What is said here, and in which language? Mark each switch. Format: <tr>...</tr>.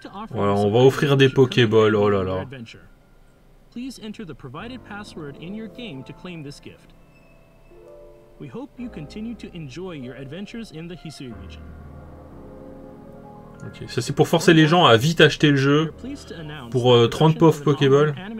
<fr>Voilà, on va offrir des Pokéballs, oh là là.</fr> <en>Please enter the provided password in your game to claim this gift. We hope you continue to enjoy your adventures in the Hisui region.</en> <fr>Ok, ça c'est pour forcer les gens à vite acheter le jeu pour 30 pauvres Pokéballs.</fr>